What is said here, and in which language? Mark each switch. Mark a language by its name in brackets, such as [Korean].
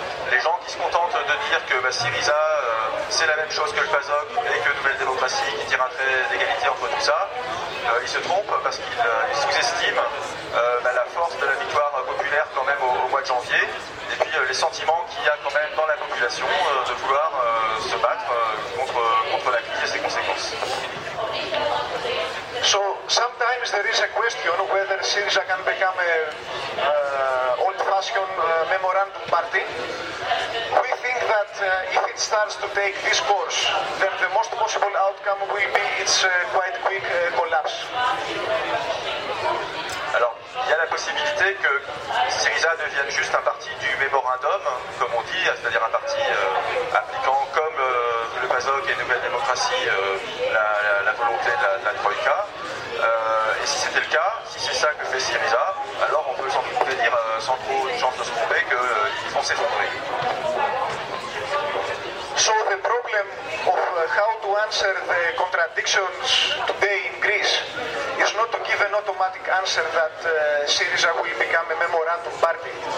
[French] Les gens qui se contentent de dire que Syriza c'est la même chose que le PASOK et que Nouvelle Démocratie qui tire un trait d'égalité entre tout ça, ils se trompent parce qu'ils sous-estiment la force de la victoire populaire quand même au mois de janvier. Et puis les sentiments qu'il y a quand même dans la population de vouloir se battre contre la crise et ses conséquences. [English] So sometimes there is a question whether Syriza can become a old-fashioned memorandum party. We think that if it starts to take this course, then the most possible outcome will be its quite quick collapse. [French] Alors, il y a la possibilité que Syriza devienne juste un parti du mémorandum, comme on dit, c'est-à-dire un parti appliquant comme le PASOK et Nouvelle Démocratie la volonté de la Troïka. Et si c'était le cas, si c'est ça que fait Syriza, alors on peut sans doute dire, sans trop de chance de se tromper, qu'ils vont s'effondrer. [English] So the problem of how to answer the contradictions today in Greece is not to give an automatic answer that Syriza will become a memorandum party.